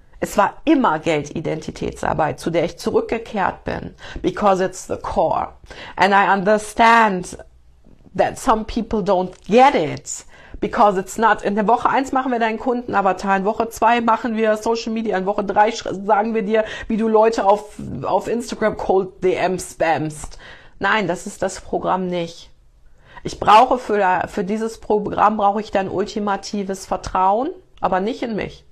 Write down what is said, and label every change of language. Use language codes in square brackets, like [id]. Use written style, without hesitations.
[de] Es war immer Geldidentitätsarbeit, zu der ich zurückgekehrt bin, [en] because it's the core. And I understand that some people don't get it. Because it's not, [de] in der Woche 1 machen wir deinen Kundenavatar, in Woche 2 machen wir Social Media, in Woche 3 sagen wir dir, wie du Leute auf Instagram Cold DM spammst. Nein, das ist das Programm nicht. Ich brauche für dieses Programm brauche ich dein ultimatives Vertrauen, aber nicht in mich.